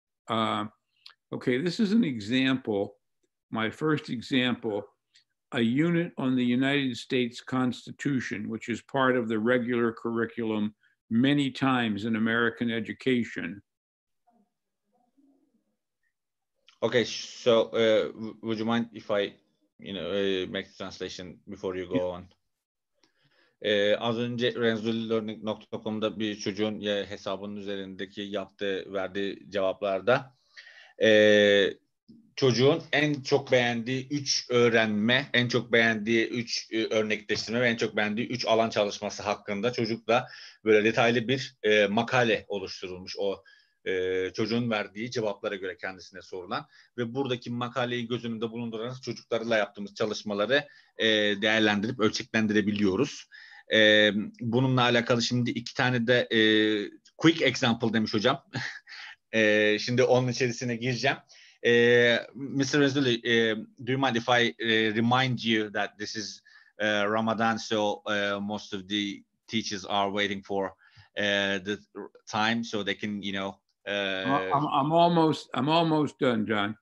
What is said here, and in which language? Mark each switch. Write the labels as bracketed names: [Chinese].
[English] Okay, this is an example, my first example, a unit on the United States Constitution, which is part of the regular curriculum many times in American education. Okay, so would you mind if I, you know, make the translation before you go on? [Turkish] Az önce renzulilearning.com'da bir çocuğun hesabının üzerindeki yaptığı, verdiği cevaplarda çocuğun en çok beğendiği 3 öğrenme, en çok beğendiği 3 örnekleştirme ve en çok beğendiği 3 alan çalışması hakkında çocukla böyle detaylı bir makale oluşturulmuş o çocuğun verdiği cevaplara göre kendisine sorulan ve buradaki makaleyi göz önünde bulunduran çocuklarla yaptığımız çalışmaları değerlendirip ölçeklendirebiliyoruz. Bununla alakalı şimdi iki tane de [English] quick example [Turkish] demiş hocam. Şimdi onun içerisine gireceğim. Mr. [English] Rezuli, do you mind if I remind you that this is Ramadan, so most of the teachers are waiting for the time so they can, you know. I'm almost done, John.